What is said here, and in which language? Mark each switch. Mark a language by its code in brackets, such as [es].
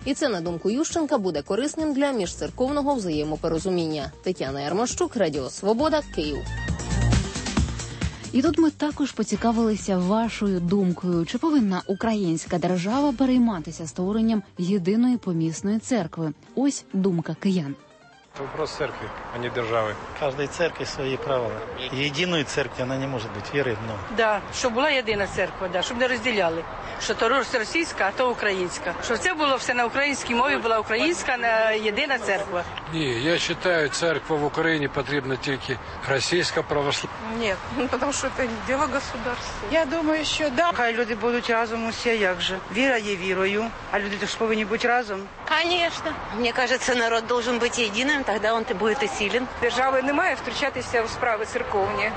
[uk] І це, на думку Ющенка, буде корисним для міжцерковного взаємопорозуміння. Тетяна Ярмощук, Радіо «Свобода», Київ. І тут ми також поцікавилися вашою думкою, чи повинна українська держава перейматися створенням єдиної помісної церкви. Ось думка киян. [ru] Это вопрос церкви, а не державы. Каждой церкви свои правила. Единой церкви она не может быть, веры одно. Да, чтобы была единая церковь, да, чтобы не разделяли. Что то российская, а то украинская. Чтобы это было все на украинской мове, была украинская, единая церковь. Нет, я считаю, церковь в Украине потребна только российская православная. Нет, потому что это дело государства. Я думаю, что да. Хай люди будут разом все, как же. Вера есть верою, а люди тоже должны быть разом. Конечно. Мне кажется, народ должен быть единым, тогда он будет и силен. [uk] Державы не має втручатися в справи церковні.